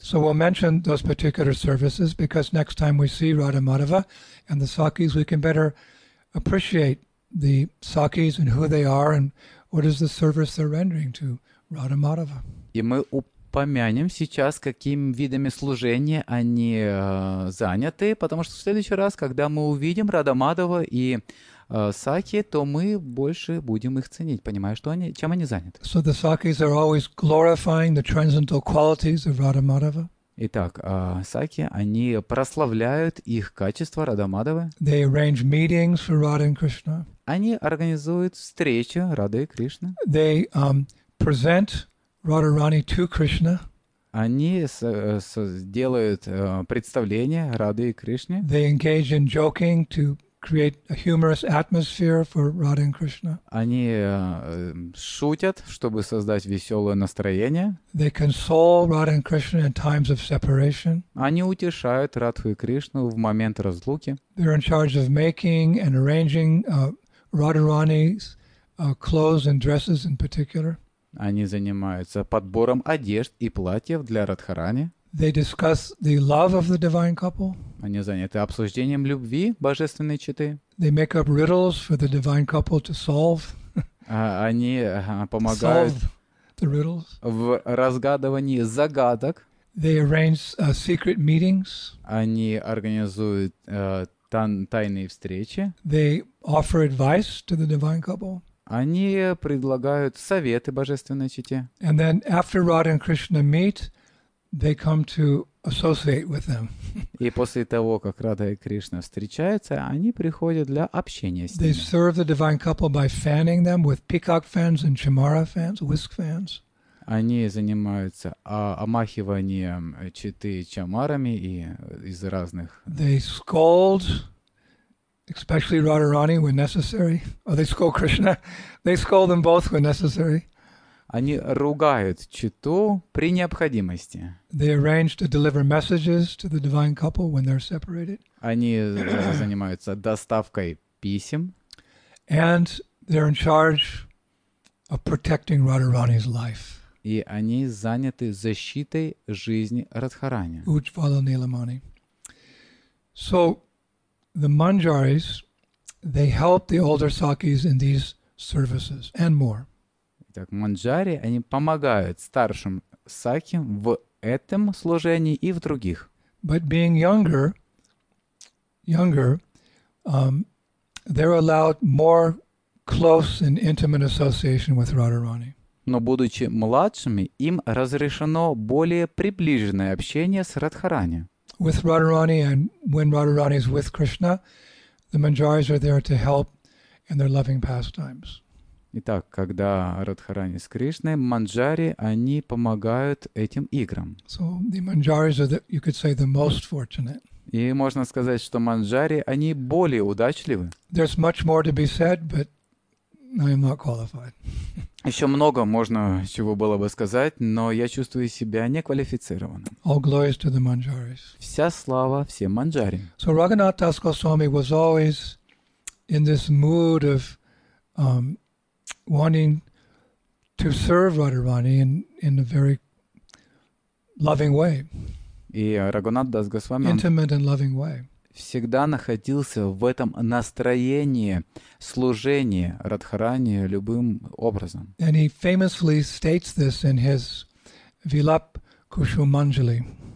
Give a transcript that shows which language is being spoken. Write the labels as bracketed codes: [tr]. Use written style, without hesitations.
[en] So we'll mention those particular services because next time we see Radha Madhava and the Sakis, we can better appreciate the Sakis and who they are and what is the service they're rendering to Radha Madhava. [ru] И мы упомянем сейчас, какими видами служения они заняты, потому что в следующий раз, когда мы увидим Радха Мадхаву и саки, то мы больше будем их ценить, понимая, что они, чем они заняты. [en] So the sakis are always glorifying the transcendental qualities of Radha Madhava. [ru] Итак, саки, они прославляют их качества Радха Мадхавы. [en] They arrange meetings for Radha and Krishna. [ru] Они организуют встречи Радхи и Кришны. [en] They present Radharani to Krishna. [ru] Они делают представление Радхи и Кришне. [en] They engage in joking to create a humorous atmosphere for Radha and Krishna. [ru] Они шутят, чтобы создать веселое настроение. [en] They console Radha and Krishna in times of separation. [ru] Они утешают Радху и Кришну в момент разлуки. [en] They're in charge of making and arranging Radharani's clothes and dresses in particular. [ru] Они занимаются подбором одежд и платьев для Радхарани. [en] They discuss the love of the divine couple. [ru] Они заняты обсуждением любви божественной четы. [en] They make up riddles for the divine couple to solve. [ru] Они помогают [en] solve the riddles. [ru] В разгадывании загадок. [en] They arrange secret meetings. [ru] Они организуют тайные встречи. [en] They offer advice to the divine couple. [ru] Они предлагают советы божественной чете. [en] And then after Radha and Krishna meet, they come to associate with them. [ru] И после того, как Радха и Кришна встречаются, они приходят для общения с ними. [en] They serve the divine couple by fanning them with peacock fans and chamara fans, whisk fans. [ru] Они занимаются омахиванием читы чамарами и из разных. [en] They scold, especially Radharani when necessary. Or they scold Krishna. They scold them both when necessary. [ru] Они ругают читу при необходимости. [en] They arrange to deliver messages to the divine couple when they're separated. [ru] Они занимаются доставкой писем. [en] And they're in charge of protecting Radharani's life. [ru] И они заняты защитой жизни Радхарани. [en] Ujjvala Nilamani. So the Manjaris, they help the older Sakis in these services and more. [ru] Так, манджари, они помогают старшим сакхи в этом служении и в других. [en] But being younger, they're allowed more close and intimate association with Radharani. [ru] Но будучи младшими, им разрешено более приближенное общение с Радхарани. [en] With Radharani and when Radharani is with Krishna, the manjaris are there to help in their loving pastimes. [ru] Итак, когда Радхарани с Кришной, манджари, они помогают этим играм. [en] So the manjaris are, you could say, the most fortunate. [ru] И можно сказать, что манджари, они более удачливы. [en] There's much more to be said, but I am not qualified. [ru] Еще много можно чего было бы сказать, но я чувствую себя неквалифицированным. [en] All glories to the Manjaris. [ru] Вся слава всем Манджари. [en] So Raghunath Das Goswami was always in this mood of wanting to serve Radharani in a very loving way. [ru] И Рагунат Дас Госвами [en] intimate and loving way. [ru] Всегда находился в этом настроении служения Радхарани любым образом. [en] And he famously states this in his Vilap Kushumanjali.